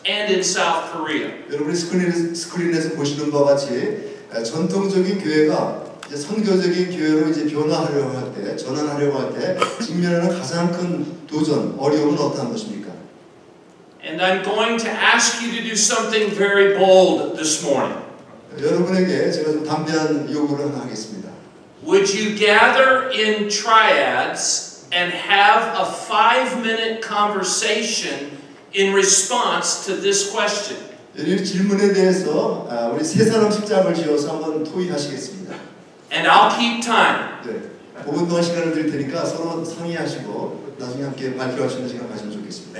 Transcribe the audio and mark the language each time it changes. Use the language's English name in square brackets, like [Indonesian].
[English] and in South Korea? [Korean] 여러분이 스크린에서 보시는 바와 같이 전통적인 교회가 이제 선교적인 교회로 이제 변화하려고 할 때, 전환하려고 할 때 직면하는 가장 큰 도전, 어려움은 어떠한 것입니까? [English] And I'm going to ask you to do something very bold this morning. [Korean] 여러분에게 제가 좀 담대한 요구를 하나 하겠습니다. [English] Would you gather in triads and have a five-minute conversation in response to this question? [Korean] 이 질문에 대해서 우리 세 사람씩 잡을 지어서 한번 토의하시겠습니다. [English] And I'll keep time. [Korean] 네, 5분 동안 시간을 드릴 테니까 서로 상의하시고 나중에 함께 발표하시는 시간 가시면 좋겠습니다.